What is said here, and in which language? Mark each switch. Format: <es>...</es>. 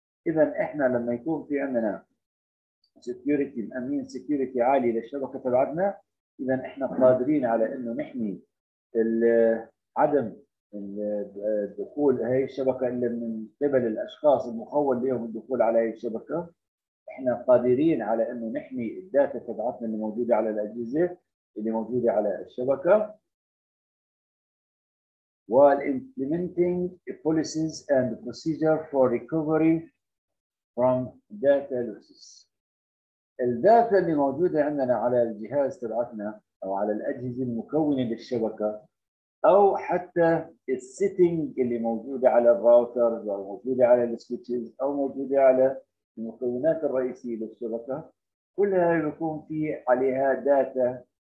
<ar>إذا إحنا لما يكون في عندنا سيكوريتي مأمين سيكوريتي عالي للشبكة تبعتنا، إذا إحنا قادرين على إنه نحمي عدم الدخول هاي الشبكة إلا من قبل الأشخاص المخول لهم الدخول على هاي الشبكة. احنا قادرين على انه نحمي الداتا تبعتنا اللي موجودة على الاجهزة اللي موجودة على الشبكة.</ar> <en>While implementing policies and procedure for recovery from data losses.</en> <ar>الداتا اللي موجودة عندنا على الجهاز تبعتنا او على الاجهزة المكونة للشبكة او حتى السيتنج اللي موجودة على الراوتر او موجودة على السويتشز او موجودة على المكونات الرئيسية للشبكة، كل هذه يكون فيه عليها داتا</ar>